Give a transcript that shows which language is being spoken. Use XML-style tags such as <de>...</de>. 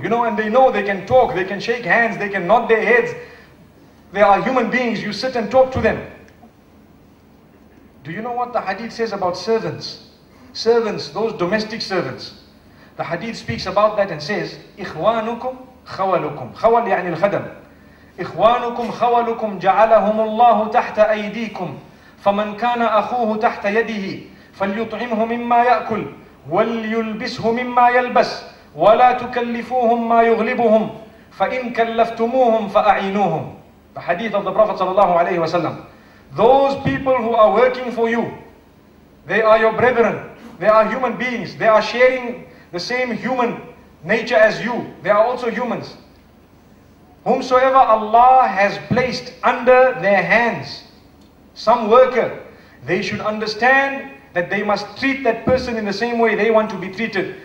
<en>You know, and they know they can talk, they can shake hands, they can nod their heads. They are human beings. You sit and talk to them. Do you know what the hadith says about servants? Servants, those domestic servants. The hadith speaks about that and says,</en> <ar>إِخْوَانُكُمْ خولكم خول يعني الخدم إخوانكم خولكم جعلهم الله تحت أيديكم فمن كان أخوه تحت يده فليطعمه مما يأكل وليلبسه مما يلبس ولا تكلفوهم ما يغلبهم فإن كلفتموهم فأعينوهم.</ar> <en>The hadith of the Prophet sallallahu alayhi wa sallam. Those people who are working for you, they are your brethren, they are human beings, they are sharing the same human nature as you, they are also humans. Whomsoever Allah has placed under their hands, some worker, they should understand that they must treat that person in the same way they want to be treated.</en>